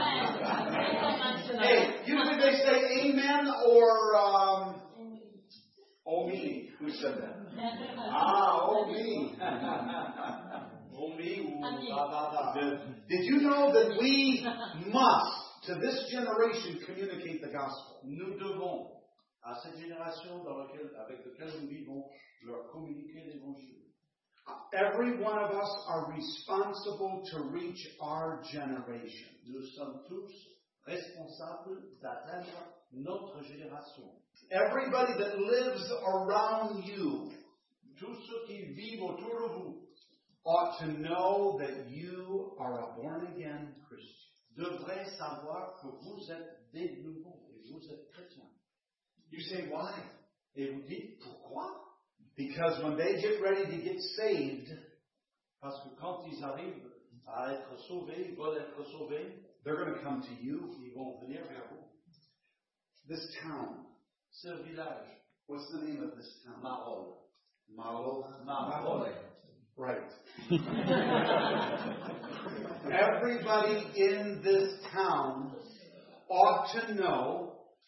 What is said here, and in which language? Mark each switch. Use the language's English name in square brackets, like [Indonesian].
[English] Hey, you think they say amen or oh me, who said that? Ah, oh me. Oh me, ooh, did you know that we must, to this generation, communicate the gospel? [French] Nous devons, à cette génération dans laquelle, avec laquelle nous vivons, leur communiquer l'évangile. [English] Every one of us are responsible to reach our generation. [French] Nous sommes tous responsables d'atteindre notre génération. [English] Everybody that lives around you, [French] tous ceux qui vivent autour de vous, [English] ought to know that you are a born-again Christian. [French] Devrait savoir que vous êtes de nouveau et vous êtes chrétien. [English] You say why? [French] Et vous dites pourquoi? [English] Because when they get ready to get saved, [French] parce que quand ils arrivent à être sauvés, ils veulent être sauvés, [English] they're going to come to you. [French] Ils vont venir vers vous. [English] This town. [French] Ce village. [English] What's the name of this town? Mahol. Mahol. Right. Everybody in this town ought to know.